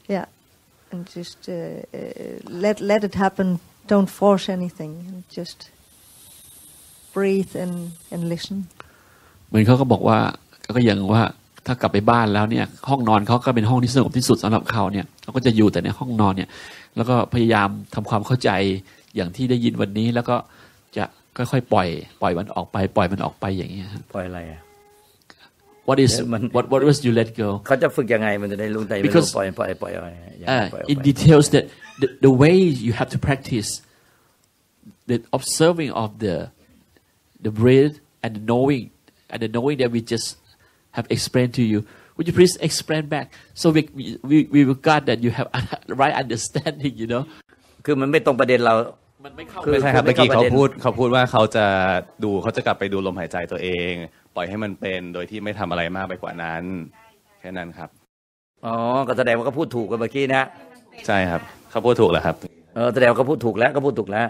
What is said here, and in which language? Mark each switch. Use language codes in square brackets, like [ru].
[en] Yeah, and just let it happen, don't force anything, and just breathe and listen. [th] เหมือนเขาก็บอกว่าก็ยังว่าถ้ากลับไปบ้านแล้วเนี่ยห้องนอนเขาก็เป็นห้องที่สงบที่สุดสำหรับเขาเนี่ยเขาก็จะอยู่แต่ในห้องนอนเนี่ยแล้วก็พยายามทำความเข้าใจอย่างที่ได้ยินวันนี้แล้วก็จะค่อยๆปล่อยมันออกไปปล่อยมันออกไปอย่างเงี้ย ปล่อยอะไรอ่ะ [en] What was you let go [th] เขาจะฝึกยังไงมันจะได้รู้ได้ [en] because [th] ปล่อย [en] in details that the way you have to practice the observing of the breath and the knowing that we justhave explained to you, Would you please explain back so we got that you have right understanding, you know? [th] คือมันไม่ตรงประเด็นเรามันไม่เข้า คือใช่ครับเมื่อกี้เขาพูดว่าเขาจะดูเขาจะกลับไปดูลมหายใจตัวเองปล่อยให้มันเป็นโดยที่ไม่ทำอะไรมากไปกว่านั้นแค่นั้นครับ อ๋อก็แสดงว่าก็พูดถูกกันเมื่อกี้นะ ใช่ครับเขาพูดถูกแล้วครับ เออแสดงว่าก็พูดถูกแล้วก็พูดถูกแล้ว